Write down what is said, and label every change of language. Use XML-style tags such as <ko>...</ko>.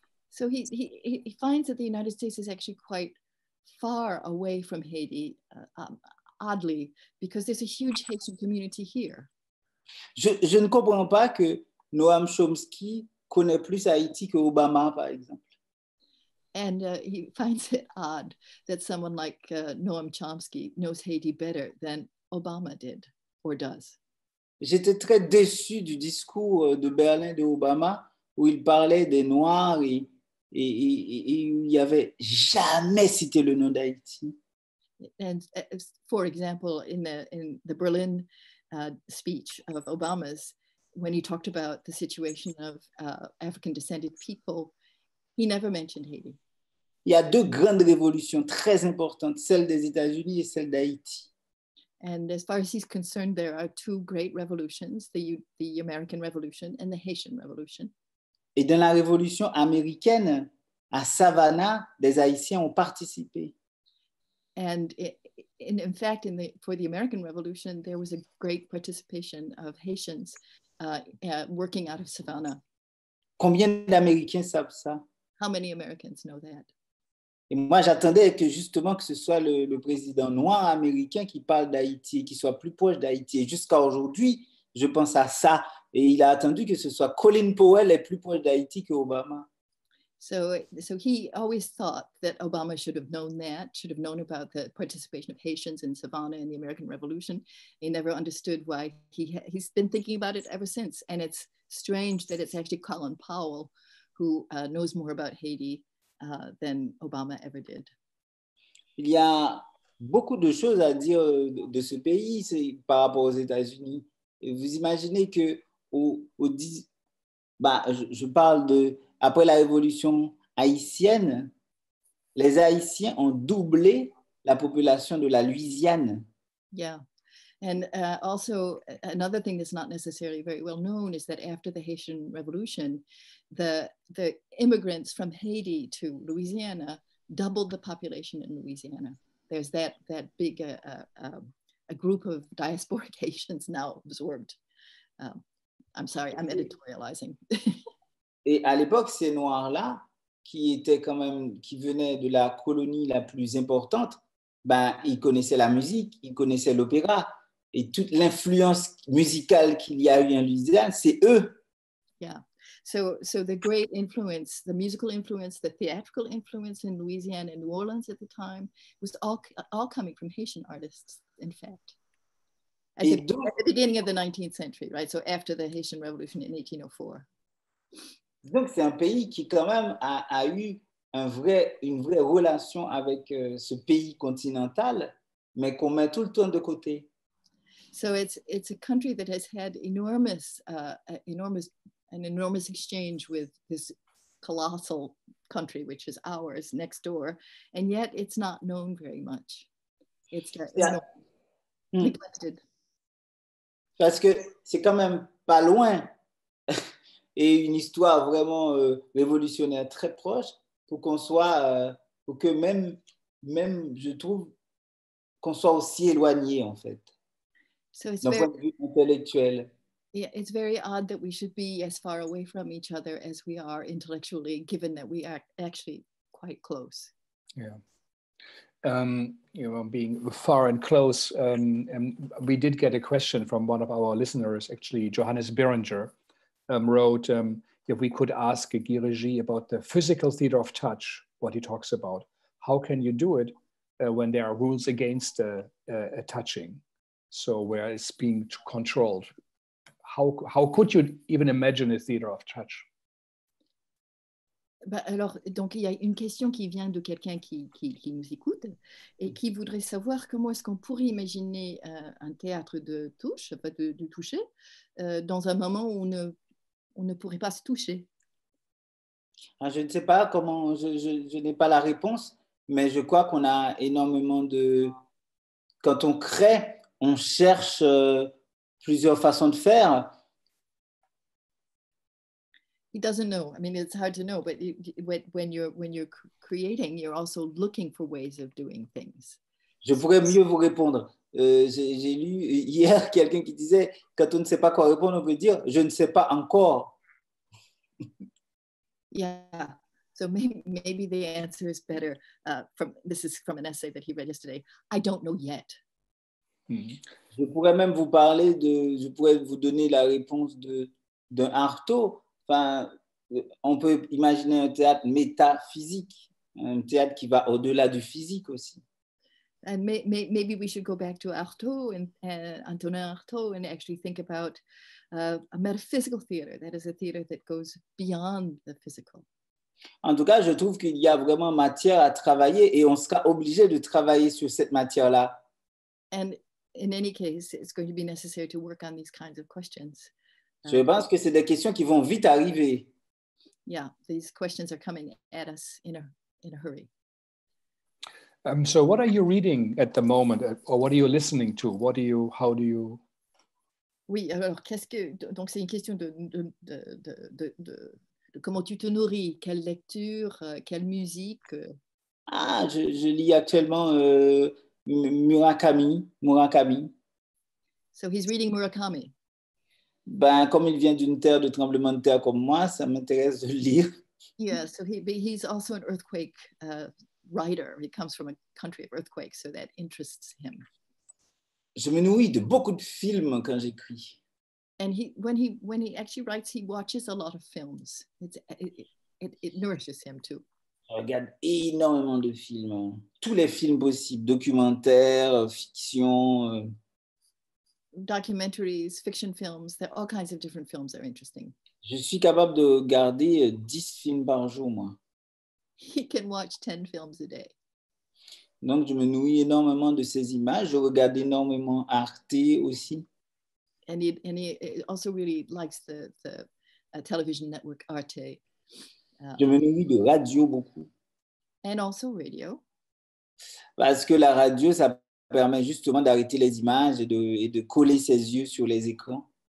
<en>So he finds that the United States is actually quite far away from Haiti, oddly, because there's a huge Haitian community here.</en> <fr>Je ne comprends pas que Noam Chomsky connaît plus Haïti que Obama, par exemple.</fr> <en>And he finds it odd that someone like Noam Chomsky knows Haiti better than Obama did or does.</en> <fr>J'étais très déçu du discours de Berlin de Obama où il parlait des Noirs et où il n'y avait jamais cité le nom d'Haïti.</fr> <en>And for example, in the Berlin speech of Obama's, when he talked about the situation of African-descended people, he never mentioned Haiti.</en> <fr>Il y a deux grandes révolutions très importantes, celle des États-Unis et celle d'Haïti.</fr> <en>And as far as he's concerned, there are two great revolutions, the American Revolution and the Haitian Revolution.</en> <fr>Et dans la révolution américaine, à Savannah, des Haïtiens ont participé.</fr> <en>And in fact, for the American Revolution, there was a great participation of Haitians working out of Savannah.</en> <fr>Combien d'Américains savent ça?</fr> <en>How many Americans know that?</en> <fr>Et moi, j'attendais que justement que ce soit le président noir américain qui parle d'Haïti, qui soit plus proche d'Haïti. Et jusqu'à aujourd'hui, je pense à ça. Et il a attendu que ce soit Colin Powell est plus proche d'Haïti que Obama.</fr> <en>So he always thought that Obama should have known that, should have known about the participation of Haitians in Savannah in the American Revolution. He never understood why he's been thinking about it ever since. And it's strange that it's actually Colin Powell who knows more about Haiti than Obama ever did.</en> <fr>Il y a beaucoup de choses à dire de ce pays par rapport aux États-Unis. Et vous imaginez que je parle de après la révolution haïtienne, les Haïtiens ont doublé la population de la Louisiane.</fr> <en>Yeah. And also another thing that's not necessarily very well known is that after the Haitian Revolution, the immigrants from Haiti to Louisiana doubled the population in Louisiana. There's that big a group of diasporic Haitians now absorbed. I'm sorry, I'm editorializing.</en> <fr>Et à l'époque, ces Noirs-là, qui étaient quand même, qui venaient de la colonie la plus importante, ben, ils connaissaient la musique, ils connaissaient l'opéra, et toute l'influence musicale qu'il y a eu en Louisiane, c'est eux.</fr> <en>Yeah. So the great influence, the musical influence, the theatrical influence in Louisiana and New Orleans at the time was all coming from Haitian artists, in fact. At the beginning of the 19th century, right? So after the Haitian Revolution in 1804.</en> <fr>Donc c'est un pays qui quand même a eu une vraie relation avec ce pays continental, mais qu'on met tout le temps de côté.</fr> <en>So it's a country that has had an enormous exchange with this colossal country, which is ours next door, and yet it's not known very much. It's neglected.</en> <fr>Parce que c'est quand même pas loin et une histoire vraiment révolutionnaire très proche pour qu'on soit pour que même je trouve qu'on soit aussi éloigné en fait.</fr> <en>So it's</en> <fr>d'un point de vue intellectuel.</fr> <en>Yeah, it's very odd that we should be as far away from each other as we are intellectually, given that we are actually quite close. Yeah. You know, being far and close, and we did get a question from one of our listeners, actually. Johannes Behringer wrote if we could ask Guy Regis about the physical theater of touch, what he talks about. How can you do it when there are rules against a touching? So where it's being controlled. How could you even imagine a theater of touch?</en> <fr>Bah alors, donc il y a une question qui vient de quelqu'un qui nous écoute et qui voudrait savoir comment est-ce qu'on pourrait imaginer un théâtre de touche, pas de toucher, dans un moment où on ne pourrait pas se toucher. Ah, je ne sais pas comment, je n'ai pas la réponse, mais je crois qu'on a énormément de... Quand on crée, on cherche plusieurs façons de faire.</fr> <en>He doesn't know. I mean, it's hard to know, but when you're creating, you're also looking for ways of doing things.</en> <fr>Je pourrais mieux vous répondre. J'ai lu hier quelqu'un qui disait, quand on ne sait pas quoi répondre, on peut dire, je ne sais pas encore.</fr> <en>Yeah. So maybe the answer is better. This is from an essay that he read yesterday. I don't know yet. Mm-hmm.</en> <fr>Je pourrais même vous parler de, je pourrais vous donner la réponse de Artaud. Enfin, on peut imaginer un théâtre métaphysique, un théâtre qui va au-delà du physique aussi.</fr> <en>And maybe we should go back to Artaud and Antonin Artaud and actually think about a metaphysical theater, that is a theater that goes beyond the physical.</en> <fr>En tout cas, je trouve qu'il y a vraiment matière à travailler et on sera obligé de travailler sur cette matière-là.</fr> <en>And in any case, it's going to be necessary to work on these kinds of questions.</en> <fr>Je pense que c'est des questions qui vont vite arriver.</fr> <en>Yeah, these questions are coming at us in a in a hurry. So what are you reading at the moment, or what are you listening to? What do you, how do you?</en> <fr>Oui, alors qu'est-ce que, donc c'est une question de comment tu te nourris, quelle lecture, quelle musique? Ah, je lis actuellement Murakami.</fr> <en>So he's reading Murakami.</en> <fr>Ben, comme il vient d'une terre de tremblement de terre comme moi, ça m'intéresse de lire.</fr> <en>Yeah, so he's also an earthquake writer. He comes from a country of earthquakes, so that interests him.</en> <fr>Je me nourris de beaucoup de films quand j'écris.</fr> <en>And when he actually writes, he watches a lot of films. It nourishes him too.</en> <fr>Je regarde énormément de films, hein. Tous les films possibles, documentaires, fiction.</fr> <en>Documentaries, fiction films, there are all kinds of different films that are interesting.</en> <fr>Je suis capable de regarder 10 films par jour, moi.</fr> <en>He can watch 10 films a day.</en> <fr>Donc, je me nourris énormément de ces images. Je regarde énormément Arte aussi.</fr> <en>And he also really likes the television network Arte.</en> <fr>Je me nourris de radio beaucoup.</fr> <en>And also radio.</en> <fr>Parce que la radio, ça permet justement d'arrêter les images et de coller ses yeux sur les écrans.</fr>